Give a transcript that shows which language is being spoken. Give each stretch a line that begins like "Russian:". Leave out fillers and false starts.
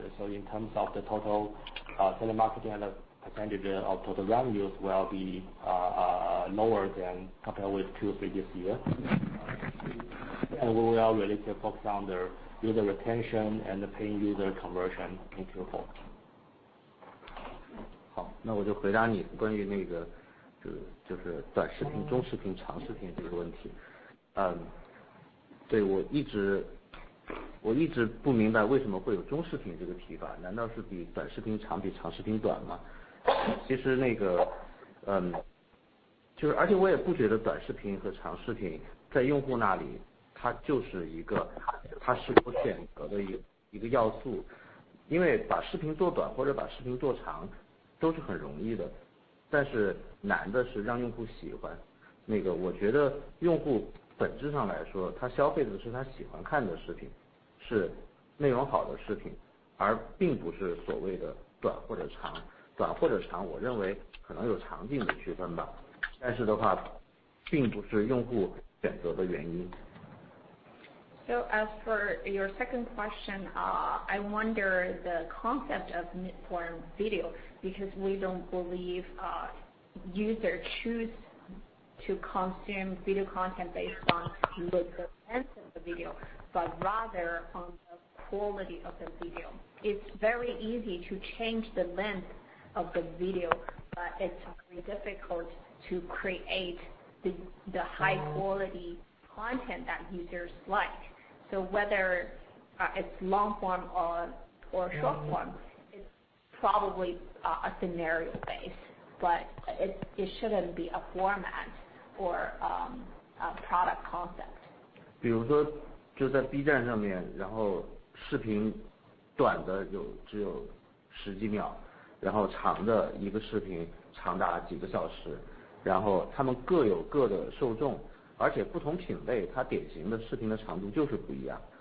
English: So in terms of the total telemarketing and the percentage of total revenues will be lower than compared with Q3 this year. And we will really focus on the user retention and the paying user conversion in Q4.
Chinese: 好，那我就回答你关于那个就是短视频、中视频、长视频这个问题。对，我一直不明白为什么会有中视频这个提法，难道是比短视频长比长视频短吗？其实那个，就是而且我也不觉得短视频和长视频在用户那里，它就是一个它是否选择的一个要素，因为把视频做短或者把视频做长都是很容易的，但是难的是让用户喜欢。那个我觉得用户本质上来说，他消费的是他喜欢看的视频，是内容好的视频，而并不是所谓的短或者长。短或者长，我认为可能有长进的区分吧，但是的话并不是用户选择的原因。
English: So as for your second question, I wonder the concept of mid-form video, because we don't believe user choose to consume video content based on look or length of the video, but rather on the quality of the video. It's very easy to change the length of the video, but it's very difficult to create the high quality content that users like. So whether it's long form or short form, it's probably a scenario base, but it shouldn't be a format or a product concept.
Chinese: 比如说就在 B 站上面，然后视频短的有只有十几秒，然后长的一个视频长达几个小时，然后他们各有各的受众，而且不同品类它典型的视频的长度就是不一样。